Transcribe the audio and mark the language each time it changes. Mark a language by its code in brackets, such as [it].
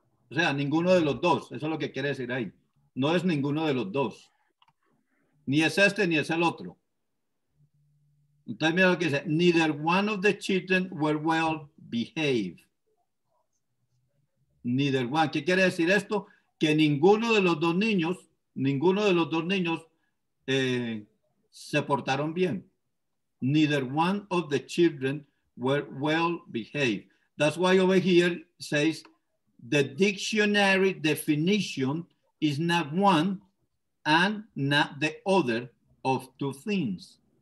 [es] O sea, ninguno de los dos. Eso es lo que quiere decir ahí. No es ninguno de los dos. Ni es este ni es el otro. Entonces mira lo que dice. [en] Neither one of the children were well behaved. Neither one. [es] ¿Qué quiere decir esto? Que ninguno de los dos niños se portaron bien. [en] Neither one of the children were well behaved. That's why over here says the dictionary definition is not one and not the other of two things.